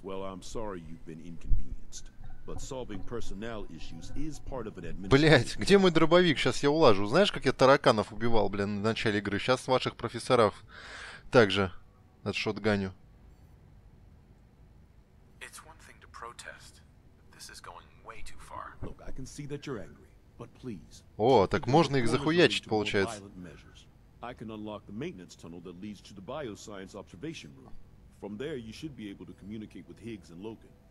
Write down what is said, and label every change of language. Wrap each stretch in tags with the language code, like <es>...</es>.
<en>Well, I'm sorry you've been inconvenienced, but solving personnel issues is part of an administration.</en> <ru>Блять, где мой дробовик? Сейчас я улажу. Знаешь, как я тараканов убивал, блин, на начале игры? Сейчас ваших профессоров... Также отшотганю.</ru> <en>It's one thing to protest, but this is going way too far. Look, I can see that you're angry, but please.</en> <ru>О, так можно их захуячить, получается.</ru> <en>I can unlock the maintenance tunnel that leads to the bioscience observation room. From there you should be able to communicate with Higgs and Loken.</en>